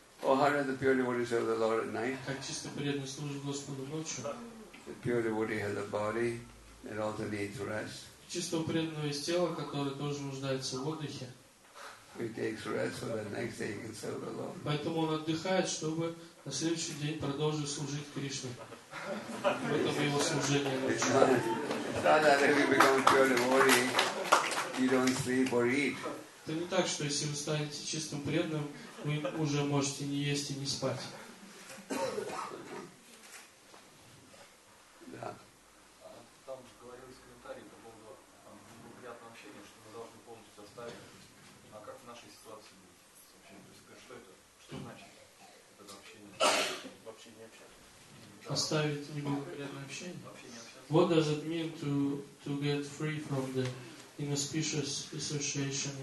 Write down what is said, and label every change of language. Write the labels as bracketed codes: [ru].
[en] Oh, how does the pure devotee serve the Lord at night? The pure devotee has a body that also needs rest. He takes rest so that next day he can serve the Lord. [ru] Поэтому он отдыхает, чтобы на следующий день продолжить служить Кришне. В этом его служение. Это не так, что если вы станете чистым преданным, вы уже можете не есть и не спать. Да. Там говорилось в комментарии по поводу неприятного общения, что мы должны полностью оставить. А как в нашей ситуации быть с общением? То есть, что это? Что значит это общение? Вообще не общаться? Оставить неблагоприятное общение? Вообще не общаться. [en] What does it mean to get free from the inauspicious association?